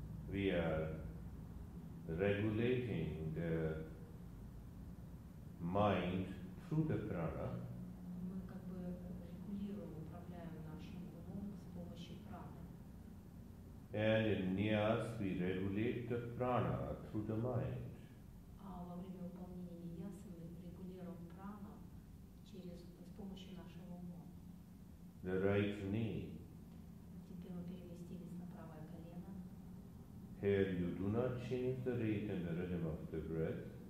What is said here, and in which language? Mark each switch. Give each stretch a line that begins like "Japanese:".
English: We are regulating the mind through the prana.
Russian: Мы как бы регулируем, управляем нашим умом с помощью праны.
English: And in niyas we regulate the prana through the mind.
Russian: А во время выполнения ньясы мы регулируем прану через с помощью нашего ума.
English: The right knee.
Russian: Теперь мы переместились на правое колено.
English: Here you do not change the rate and the rhythm of the breath.